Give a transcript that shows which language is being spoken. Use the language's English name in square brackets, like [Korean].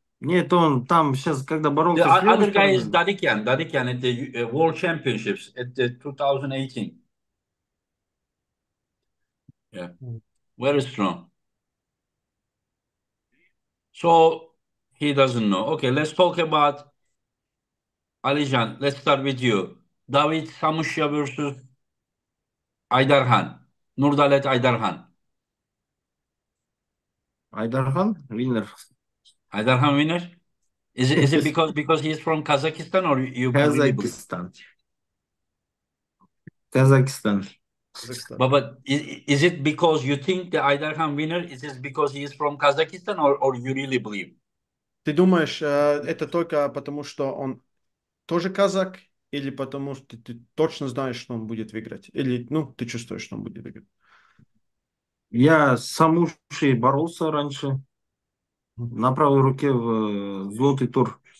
[Russian] Нет, он там сейчас, когда боролся... [English] The other guy is Dadikian at the World Championships at the 2018. Yeah, very strong. So, he doesn't know. Okay, let's talk about Alizhan. Let's start with you. David Samushia versus Aydarhan. Nurdalet Aydarhan. Aydarhan, winner. Aydarhan winner? Is it because he's from Kazakhstan or you Kazakhstan. Kazakhstan. But is it because you think the Aydarhan winner is it because he is from Kazakhstan or you really believe? [Russian] Ты думаешь, это только потому, что он тоже казак, или потому что ты точно знаешь, что он будет выиграть? Или, ну, ты чувствуешь, что он будет выиграть? Я сам уж и боролся раньше. На правой руке в золотый тур.